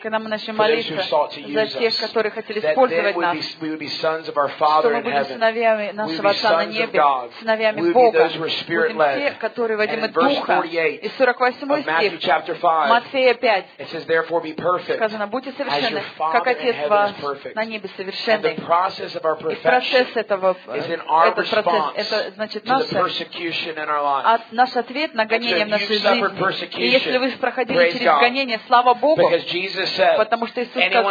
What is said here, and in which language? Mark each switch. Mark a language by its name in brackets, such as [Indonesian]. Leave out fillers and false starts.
[Russian] когда мы начнем молиться за тех, которые хотели использовать нас, [English] we would be sons of our Father [Russian] что мы будем сыновьями нашего Отца на небе, сыновьями [English] we [Russian] Бога, [English] those who are [Russian] будем те, которые водимы Духа. И 48 стих Матфея 5 сказано, будьте совершенны, как Отец вас на небе совершен. [English] The process of our perfection is in our response to the persecution in our lives. [Russian] Наш ответ на гонение в нашей жизни. Если вы проходили через гонение, слава Богу, [English] because Jesus said, [Russian] потому что Иисус сказал,